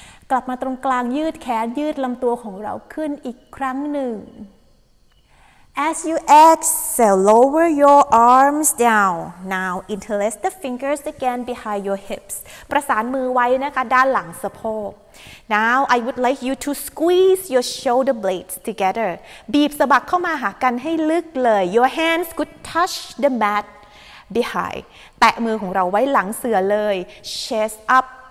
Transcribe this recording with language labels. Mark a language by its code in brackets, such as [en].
[th] กลับมาตรงกลางยืดแขนยืดลำตัวของเราขึ้นอีกครั้งหนึ่ง [en] As you exhale, lower your arms down. Now interlace the fingers again behind your hips. [th] ประสานมือไว้นะคะด้านหลังสะโพก [en] Now I would like you to squeeze your shoulder blades together. [th] บีบสะบักเข้ามาหากันให้ลึกเลย [en] Your hands could touch the mat behind. [th] แตะมือของเราไว้หลังเสือเลย [en] Chest up.